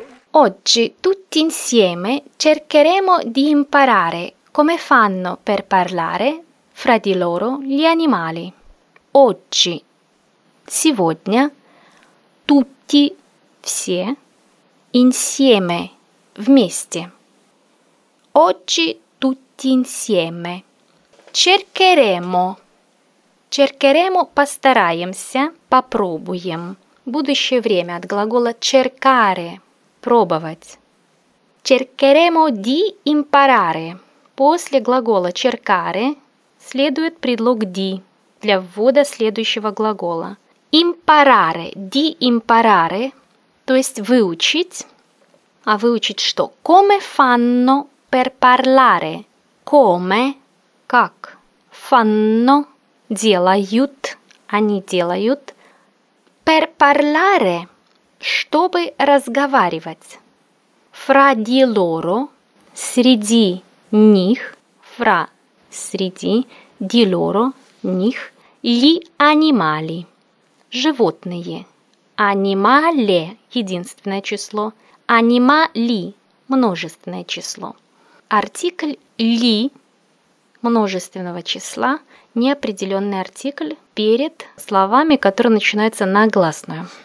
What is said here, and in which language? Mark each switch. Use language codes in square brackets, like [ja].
[it] Oggi tutti insieme cercheremo di imparare come fanno per parlare fra di loro gli animali. Oggi, [ru] сегодня, [it] tutti, [ru] все, [it] insieme, [ru] вместе. [it] Oggi tutti insieme cercheremo, cercheremo, [ru] постараемся, попробуем. Будущее время от глагола cercare. Пробовать. [it] Cercheremo di imparare. [ru] После глагола cercare следует предлог di для ввода следующего глагола. [it] Imparare, di imparare, [ru] то есть выучить. А выучить что? [it] Come fanno per parlare? Come, [ru] как? [it] Fanno, [ru] делают, они делают. [it] Per parlare, [ru] чтобы разговаривать. [it] Fra di loro, [ru] среди них. [it] Fra, [ru] среди, [it] di loro, [ru] них. [it] Gli animali, [ru] животные. Animale, единственное число. Animali, множественное число. Артикль li, множественного числа. Неопределенный артикль перед словами, которые начинаются на гласную.